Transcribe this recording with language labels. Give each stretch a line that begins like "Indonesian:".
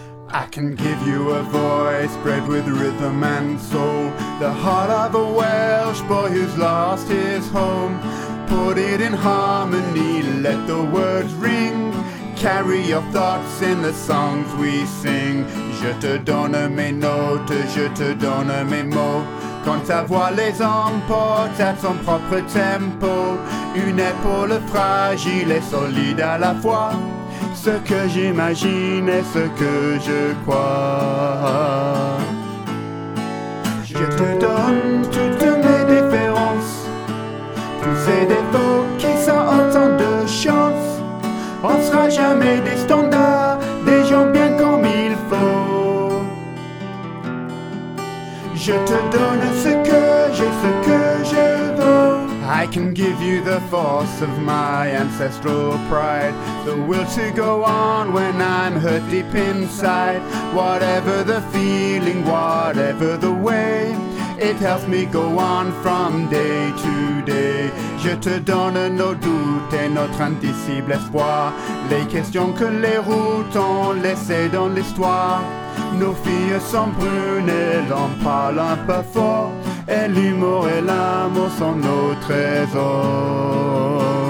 English: I can give you a voice bred with rhythm and soul. The heart of a Welsh boy who's lost his home. Put it in harmony, let the words ring. Carry your thoughts in the songs we sing.
French: Je te donne mes notes, je te donne mes mots. Quand ta voix les emporte à son propre tempo. Une épaule fragile et solide à la fois. Ce que j'imagine et ce que je crois. Je te donne toutes mes différences. Tous ces défauts qui sont autant de chance. On sera jamais des standards, des gens bien comme il faut. Je te donne ce que j'ai, ce que je veux.
English: I can give you the force of my ancestral pride. The will to go on when I'm hurt deep inside. Whatever the feeling, whatever the way. It helps me go on from day to day.
French: Je te donne nos doutes et notre indicible espoir. Les questions que les routes ont laissées dans l'histoire. Nos filles sont brunes et l'on parle un peu fort. Et l'humour et l'amour sont nos trésors.